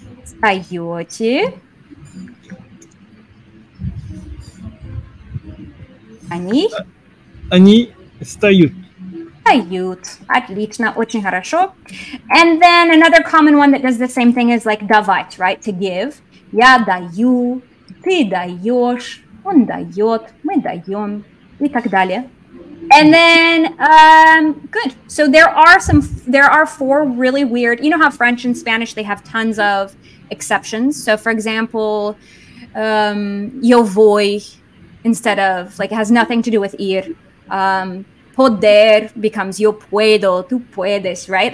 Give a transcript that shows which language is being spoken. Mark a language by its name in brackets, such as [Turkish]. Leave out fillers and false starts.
[Russian] Встаете. Они? Они встают. Встают. Отлично, очень хорошо. [English] And then another common one that does the same thing is like давать, right? To give. [Russian] Я даю, ты даешь, он дает, мы даем, и так далее. [English] And then, good. So there are four really weird, you know how French and Spanish, they have tons of exceptions. So for example, [Spanish] yo voy, [English] instead of, like, it has nothing to do with ir. [Spanish] Poder becomes yo puedo, tú puedes, right?